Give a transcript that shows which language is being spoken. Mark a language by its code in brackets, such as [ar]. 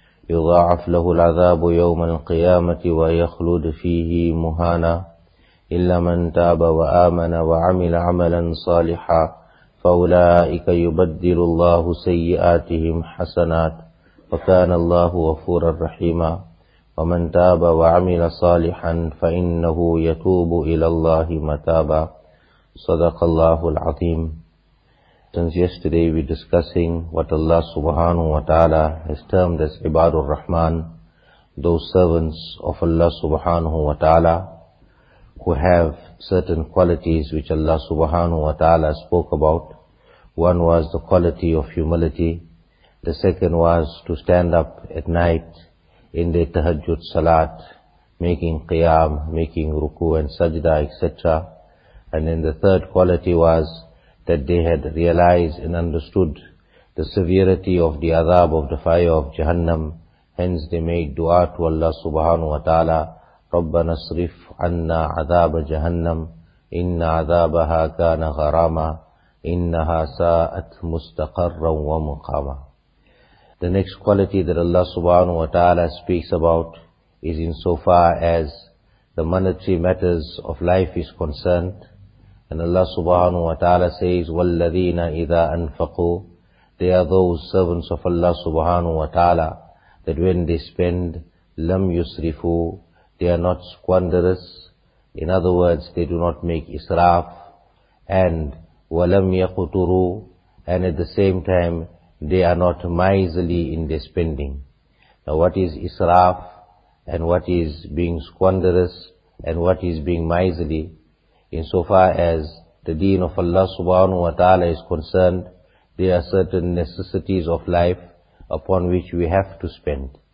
[ar] يضاعف له العذاب يوم القيامة ويخلد فيه مهانا إلا من تاب وآمن وعمل عملا صالحا فأولئك يبدل الله سيئاتهم حسنات وكان الله غفورا رحيما. ومن تاب وعمل صالحا فإنه يتوب إلى الله متابا. صدق الله العظيم. [en] Since yesterday we discussing what Allah subhanahu wa ta'ala has termed as Ibadur Rahman, those servants of Allah subhanahu wa ta'ala who have certain qualities which Allah subhanahu wa ta'ala spoke about. One was the quality of humility. The second was to stand up at night in the tahajjud salat, making qiyam, making ruku and sajda, etc. And then the third quality was that they had realized and understood the severity of the azab of the fire of Jahannam. Hence they made dua to Allah subhanahu wa ta'ala, [ar] رَبَّنَا اصْرِفْ عَنَّا عَذَابَ جَهَنَّمْ إِنَّ عَذَابَهَا كَانَ غَرَامًا إِنَّهَا سَاءَتْ مُسْتَقَرًّا وَمُقَامًا. [en] The next quality that Allah subhanahu wa ta'ala speaks about is insofar as the monetary matters of life is concerned. And Allah subhanahu wa ta'ala says, [ar] وَالَّذِينَ إِذَا أَنْفَقُوا. [en] They are those servants of Allah subhanahu wa ta'ala that when they spend, [ar] لَمْ يُسْرِفُوا. [en] They are not squanderous. In other words, they do not make israf. And [ar] وَلَمْ يَقْتُرُوا. [en] And at the same time, they are not miserly in their spending. Now what is israf? And what is being squanderous? And what is being miserly? Insofar as the deen of Allah subhanahu wa ta'ala is concerned, there are certain necessities of life upon which we have to spend.